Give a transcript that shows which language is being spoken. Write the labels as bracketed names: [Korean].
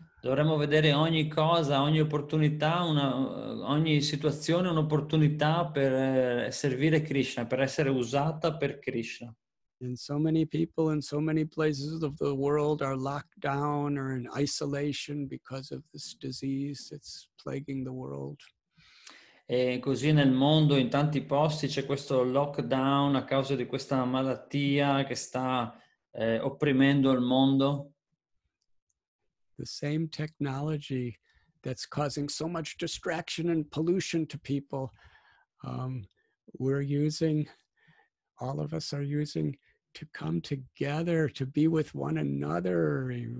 [Italian] Dovremmo vedere ogni cosa, ogni opportunità, ogni situazione un'opportunità per servire Krishna, per essere usata per Krishna. [English] And so many people in so many places of the world are locked down or in isolation because of this disease that's plaguing the world. [Italian] E così nel mondo, in tanti posti, c'è questo lockdown a causa di questa malattia che sta opprimendo il mondo. [English] The same technology that's causing so much distraction and pollution to people, all of us are using to come together, to be with one another.